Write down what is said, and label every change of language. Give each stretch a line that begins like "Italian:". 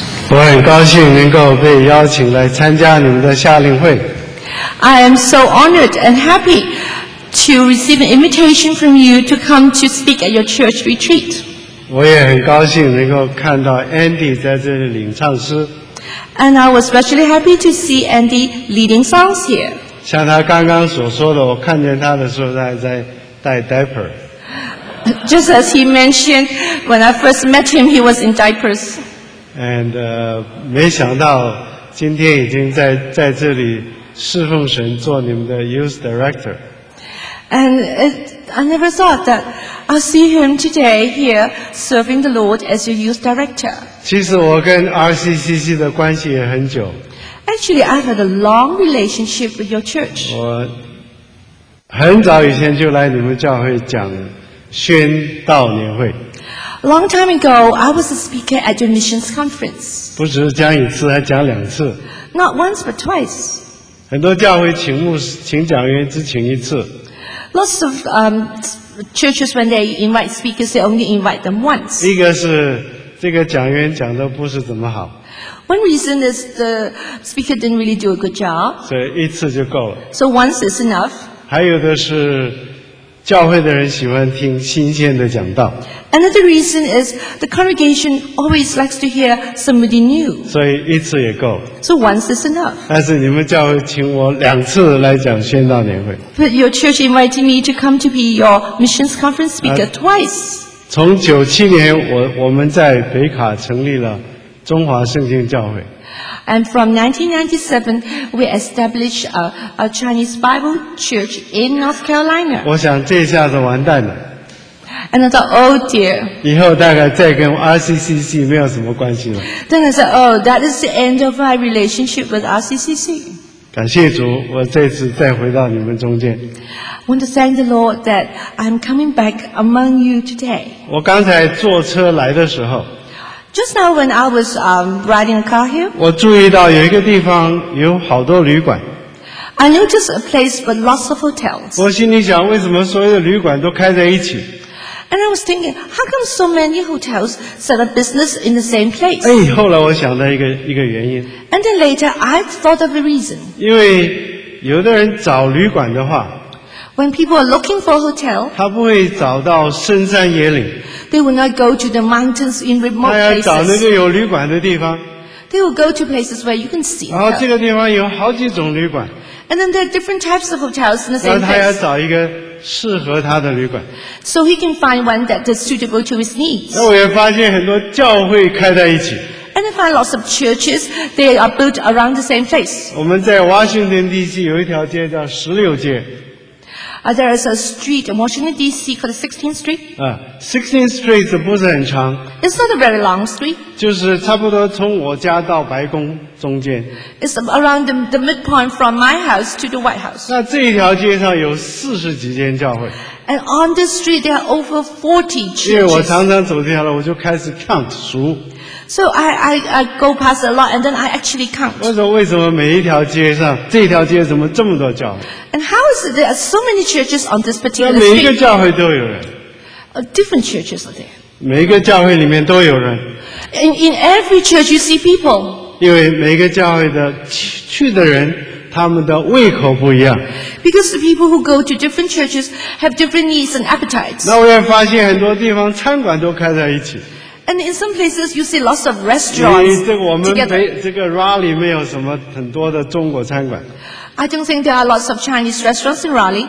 Chinese: 我很高兴能够被邀请来参加你们的夏令会。
English: I am so honored and happy to receive an invitation from you to come to speak at your church retreat.
Chinese: 我也很高兴能够看到 Andy 在这里领唱诗。
English: And I was especially happy to see Andy leading songs here.
Chinese: 像他刚刚所说的，我看见他的时候在带 diaper。
English: Just as he mentioned, when I first met him, he was in diapers.
Chinese: And 没想到今天已经在这里侍奉神，做你们的 youth director.
English: And I never thought that I'll see him today here serving the Lord as your youth director.
Chinese: 其实我跟 RCCC 的关系也很久。
English: Actually, I've had a long relationship with your church.
Chinese: 我很早以前就来你们教会讲宣道年会。
English: A long time ago, I was a speaker at your missions conference.
Chinese: 不只是讲一次，还讲两次。
English: Not once, but twice.
Chinese: 很多教会请牧师、请讲员只请一次。
English: Lots of churches when they invite speakers, they only invite them once.
Chinese: 一个是这个讲员讲的不是怎么好。
English: One reason is the speaker didn't really do a good job.
Chinese: 所以一次就够了。
English: So once is enough.
Chinese: 还有的是。教会的人喜欢听新鲜的讲道。
English: Another reason is the congregation always likes to hear somebody new.
Chinese: 所以一次也够。
English: So once is enough.
Chinese: 但是你们教会请我两次来讲宣道年会。
English: But your church invited me to come to be your missions conference speaker twice.
Chinese: 从97年我们在北卡成立了中华圣经教会。
English: And from 1997, we established a Chinese Bible Church in North Carolina.
Chinese: 我想这下子完蛋了。
English: And I thought, oh dear.
Chinese: 以后大概再跟 RCCC 没有什么关系了。
English: Then I said, oh, that is the end of my relationship with RCCC.
Chinese: 感谢主，我这次再回到你们中间。
English: I want to thank the Lord that I'm coming back among you today.
Chinese: 我刚才坐车来的时候。
English: Just now when I was riding a car here,
Chinese: 我注意到有一个地方有好多旅馆。
English: I noticed a place with lots of hotels.
Chinese: 我心里想，为什么所有的旅馆都开在一起？
English: And I was thinking, how come so many hotels set up business in the same place?
Chinese: 哎，后来我想到一个原因。
English: And then later, I thought of a reason.
Chinese: 因为有的人找旅馆的话，
English: When people are looking for a hotel,
Chinese: 他不会找到深山野岭。
English: They will not go to the mountains in remote places.
Chinese: 他要找那个有旅馆的地方。
English: They will go to places where you can see.
Chinese: 然后这个地方有好几种旅馆。
English: And then there are different types of hotels in the same place.
Chinese: 然后他要找一个适合他的旅馆。
English: So he can find one that is suitable to his needs.
Chinese: 那我也发现很多教会开在一起。
English: And I find lots of churches, they are built around the same place.
Chinese: 我们在 Washington DC 有一条街叫十六街。
English: There is a street in Washington D.C. called 16th Street.
Chinese: 16th Street 不是很长。
English: It's not a very long street.
Chinese: 就是差不多从我家到白宫中间。
English: It's around the midpoint from my house to the White House.
Chinese: 那这一条街上有四十几间教会。
English: And on this street there are over 40 churches.
Chinese: 因为我常常走这条路，我就开始 count 数。
English: So I go past a lot and then I actually count.
Chinese: 为什么每一条街上这条街怎么这么多教会？
English: And how is it there are so many churches on this particular street?
Chinese: 每一个教会都有人。
English: Different churches are there.
Chinese: 每一个教会里面都有人。
English: In every church you see people.
Chinese: 因为每一个教会的去的人他们的胃口不一样。
English: Because the people who go to different churches have different needs and appetites.
Chinese: 那我也发现很多地方餐馆都开在一起。
English: And in some places, you see lots of restaurants.
Chinese: 这个我们没这个 Raleigh 没有什么很多的中国餐馆。
English: I don't think there are lots of Chinese restaurants in Raleigh.